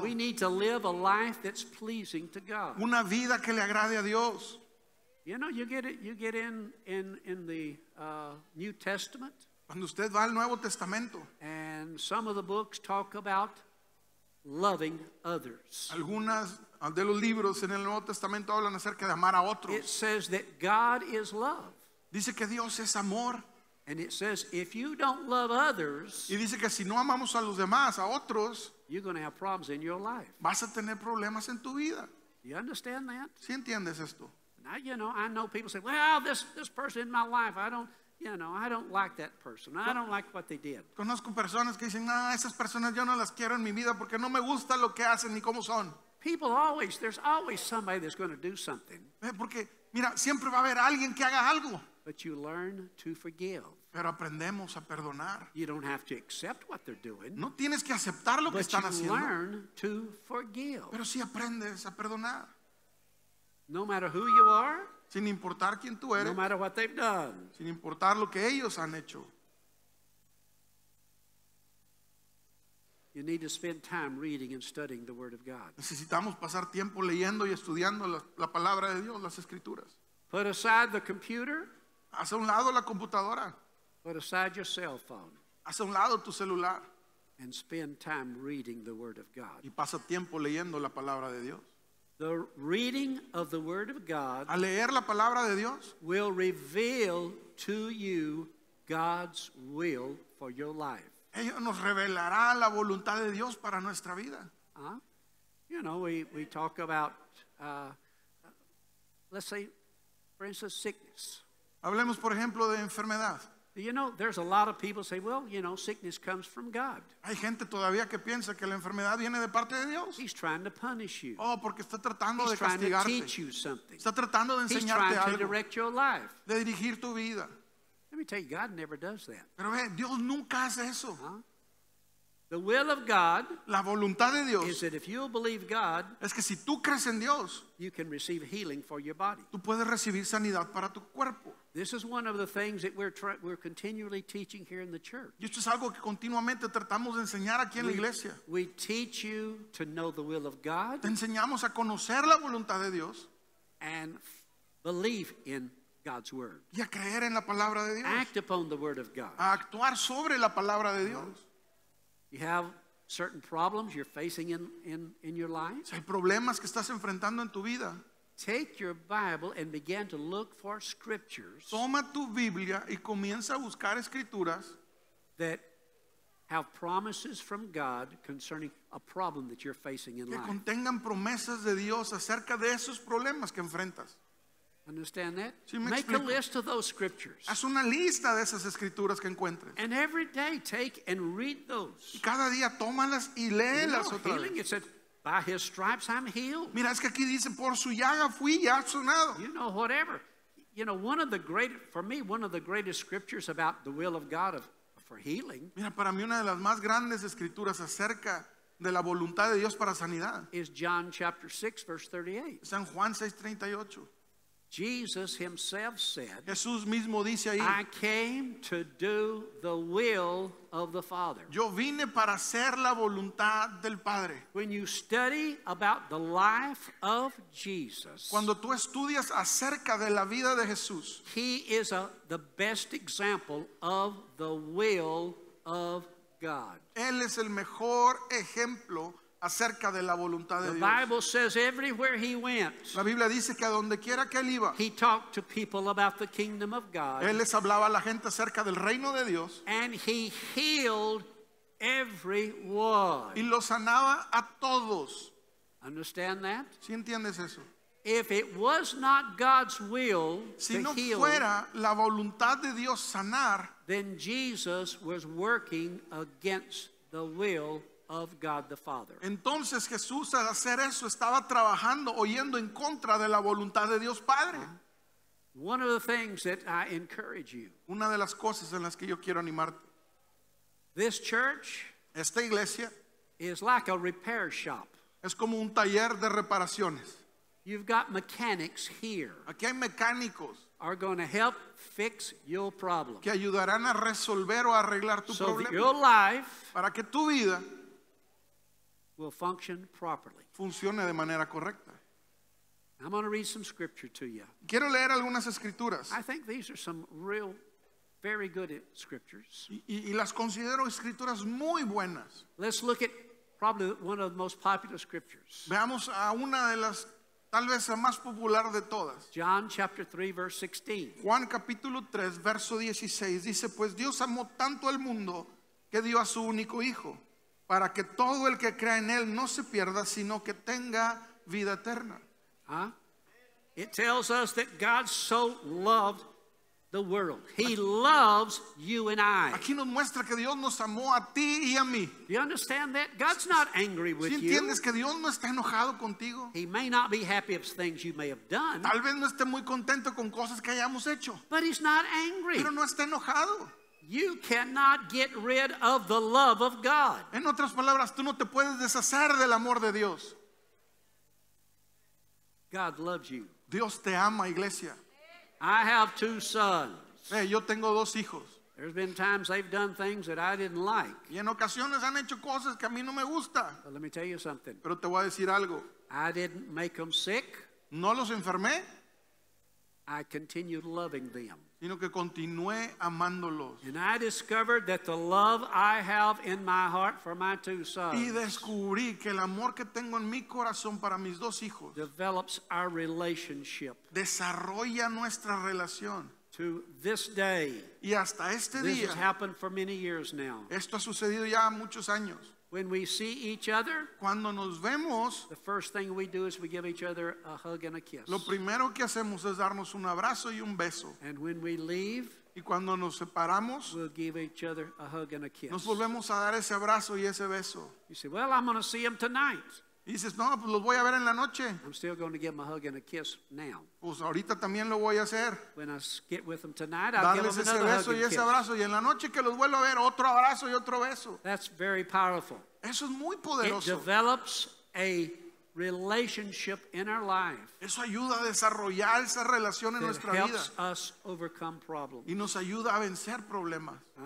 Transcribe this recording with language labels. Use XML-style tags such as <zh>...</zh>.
<en>We need to live a life that's pleasing to God.</en> <es>Una vida que le agrade a Dios.</es> <en>You know, you get in the New Testament.</en> <es>Cuando usted va al Nuevo Testamento.</es> <en>And some of the books talk about loving others.</en> <es>Algunas de los libros en el Nuevo Testamento hablan acerca de amar a otros.</es> <en>It says that God is love.</en> <es>Dice que Dios es amor.</es> <en>And it says if you don't love others,</en> <es>y dice que si no amamos a los demás, a otros,</es> <en>you're going to have problems in your life.</en> <es>Vas a tener problemas en tu vida.</es> <en>You understand that?</en> <es>¿Sí entiendes esto?</es> <en>Now, you know, I know people say, well, this person in my life, I don't like that person. I don't like what they did.</en> <es>Conozco personas que dicen, "Ah, esas personas yo no las quiero en mi vida porque no me gusta lo que hacen ni cómo son."</es> <en>People always, there's always somebody that's going to do something.</en> <es>Porque mira, siempre va a haber alguien que haga algo.</es> <en>But you learn to forgive.</en> <es>Pero aprendemos a perdonar.</es> <en>You don't have to accept what they're doing.</en> <es>No tienes que aceptar lo que están haciendo.</es> <en>But you learn to forgive.</en> <es>Pero sí aprendes a perdonar.</es> <en>No matter who you are,</en> <es>sin importar quién tú eres,</es> <en>no matter what they've done,</en> <es>sin importar lo que ellos han hecho.</es> <en>You need to spend time reading and studying the Word of God.</en> <es>Necesitamos pasar tiempo leyendo y estudiando la palabra de Dios, las escrituras.</es> <en>Put aside the computer.</en> <es>Haz a un lado la computadora.</es> <en>Put aside your cell phone.</en> <es>Haz a un lado tu celular.</es> <en>And spend time reading the Word of God.</en> <es>Y pasa tiempo leyendo la palabra de Dios.</es> <en>The reading of the Word of God,</en> <es>a leer la palabra de Dios,</es> <en>will reveal to you God's will for your life.</en> <es>Ello nos revelará la voluntad de Dios para nuestra vida.</es> <en>You know, we talk about, let's say, for instance, sickness.</en> <es>Hablemos, por ejemplo, de enfermedad.</es> <en>You know, there's a lot of people say, well, you know, sickness comes from God.</en> <es>Hay gente todavía que piensa que la enfermedad viene de parte de Dios.</es> <en>He's trying to punish you.</en> <es>Oh, porque está tratando de castigarte.</es> <en>He's trying to teach you something.</en> <es>Está tratando de enseñarte algo.</es> <en>He's trying to direct your life.</en> <es>De dirigir tu vida.</es> <en>Let me tell you, God never does that.</en> <es>Pero ve, Dios nunca hace eso.</es> <en>The will of God,</en> <es>la voluntad de Dios,</es> <en>is that if you believe God,</en> <es>es que si tú crees en Dios,</es> <en>you can receive healing for your body.</en> <es>Tú puedes recibir sanidad para tu cuerpo.</es> <en>This is one of the things that we're continually teaching here in the church.</en> <es>Y esto es algo que continuamente tratamos de enseñar aquí en la iglesia.</es> <en>We teach you to know the will of God.</en> <es>Te enseñamos a conocer la voluntad de Dios.</es> <en>And believe in God's word.</en> <es>Y a creer en la palabra de Dios.</es> <en>Act upon the word of God.</en> <es>A actuar sobre la palabra de Dios.</es> <en>You have certain problems you're facing in your life.</en> <es>Hay problemas que estás enfrentando en tu vida.</es> <en>Take your Bible and begin to look for scriptures.</en> <es>Toma tu Biblia y comienza a buscar escrituras</es> <en>that have promises from God concerning a problem that you're facing in life.</en> <es>Que contengan promesas de Dios acerca de esos problemas que enfrentas.</es> <en>Understand that? Make a list of those scriptures.</en> <es>Haz una lista de esas escrituras que encuentres.</es> <en>And every day take and read those.</en> <es>Y cada día tómalas y léelas otra vez.</es> <en>By his stripes I'm healed.</en> <es>Mira, es que aquí dice, por su llaga fui ya sanado.</es> <en>You know, whatever. You know, one of the great, for me, one of the greatest scriptures about the will of God for healing.</en> <es>Mira, para mí una de las más grandes escrituras acerca de la voluntad de Dios para sanidad.</es> <en>Is John chapter 6, verse 38.</en> <es>San Juan 6:38.</es> <en>Jesus himself said,</en> <es>Jesús mismo dice ahí,</es> <en>I came to do the will of the Father.</en> <es>Yo vine para hacer la voluntad del Padre.</es> <en>When you study about the life of Jesus,</en> <es>cuando tú estudias acerca de la vida de Jesús,</es> <en>he is the best example of the will of God.</en> <es>Él es el mejor ejemplo acerca de la voluntad de Dios.</es> <en>The Bible says everywhere he went,</en> <es>la Biblia dice que a donde quiera que él iba,</es> <en>he talked to people about the kingdom of God.</en> <es>Él les hablaba a la gente acerca del reino de Dios.</es> <en>And he healed everyone.</en> <es>Y lo sanaba a todos.</es> <en>Understand that?</en> <es>¿Sí entiendes eso?</es> <en>If it was not God's will,</en> <es>si no</es> <en>to heal,</en> <es>fuera la voluntad de Dios sanar,</es> <en>then Jesus was working against the will of God the Father.</en> <es>Entonces Jesús al hacer eso estaba trabajando oyendo en contra de la voluntad de Dios Padre.</es> <en>One of the things that I encourage you.</en> <es>Una de las cosas en las que yo quiero animarte.</es> <en>This church,</en> <es>esta iglesia,</es> <en>is like a repair shop.</en> <es>Es como un taller de reparaciones.</es> <en>You've got mechanics here.</en> <es>Aquí hay mecánicos.</es> <en>Are going to help fix your problem.</en> <es>Que ayudarán a resolver o arreglar tu problema.</es> <en>So your life,</en> <es>para que tu vida,</es> <en>will function properly.</en> <es>Funcione de manera correcta.</es> <en>I'm going to read some scripture to you.</en> <es>Quiero leer algunas escrituras.</es> <en>I think these are some real, very good scriptures.</en> <es>Y las considero escrituras muy buenas.</es> <en>Let's look at probably one of the most popular scriptures.</en> <es>Veamos a una de las, tal vez la más popular de todas.</es> <en>John chapter 3, verse 16.</en> <es>Juan capítulo 3, verso 16. Dice, pues Dios amó tanto al mundo que dio a su único hijo, para que todo el que crea en él no se pierda, sino que tenga vida eterna. Huh?</es> <en>It tells us that God so loved the world. He loves you and I.</en> <es>Aquí nos muestra que Dios nos amó a ti y a mí.</es> <en>Do you understand that? God's not angry with you.</en> <es>¿Entiendes que Dios no está enojado contigo?</es> <en>He may not be happy with things you may have done.</en> <es>Tal vez no esté muy contento con cosas que hayamos hecho.</es> <en>But he's not angry.</en> <es>Pero no está enojado.</es> <en>You cannot get rid of the love of God.</en> <es>En otras palabras, tú no te puedes deshacer del amor de Dios.</es> <en>God loves you.</en> <es>Dios te ama, iglesia.</es> <en>I have two sons.</en> <es>Hey, yo tengo dos hijos.</es> <en>There's been times they've done things that I didn't like.</en> <es>Y en ocasiones han hecho cosas que a mí no me gusta.</es> <en>But let me tell you something.</en> <es>Pero te voy a decir algo.</es> <en>I didn't make them sick.</en> <es>No los enfermé.</es> <en>I continued loving them.</en> <es>Sino que continué amándolos.</es> <en>And I discovered that the love I have in my heart for my two sons.</en> <es>Y descubrí que el amor que tengo en mi corazón para mis dos hijos.</es> <en>Develops our relationship.</en> <es>Desarrolla nuestra relación.</es> <en>To this day.</en> <es>Y hasta este</es> <en>this</en> <es>día.</es> <en>This has happened for many years now.</en> <es>Esto ha sucedido ya muchos años.</es> <en>When we see each other,</en> <es>cuando nos vemos,</es> <en>the first thing we do is we give each other a hug and a kiss.</en> <es>Lo primero que hacemos es darnos un abrazo y un beso.</es> <en>And when we leave,</en> <es>y cuando nos separamos,</es> <en>we'll give each other a hug and a kiss.</en> <es>Nos volvemos a dar ese abrazo y ese beso.</es> <en>You say, well, I'm going to see him tonight.</en> <es>Y dices, no, pues los voy a ver en la noche.</es> <en>I'm still going to give him a hug and a kiss now.</en> <es>Pues ahorita también lo voy a hacer.</es> <en>When I get with him tonight, I'll give him another hug and kiss.</en> <es>Darles ese beso y ese abrazo. Y en la noche que los vuelvo a ver, otro abrazo y otro beso.</es> <en>That's very powerful.</en> <es>Eso es muy poderoso.</es> <en>It develops a relationship in our life.</en> <es>Eso ayuda a desarrollar esa relación en nuestra vida.</es> <en>It helps us overcome problems.</en> <es>Y nos ayuda a vencer problemas.</es>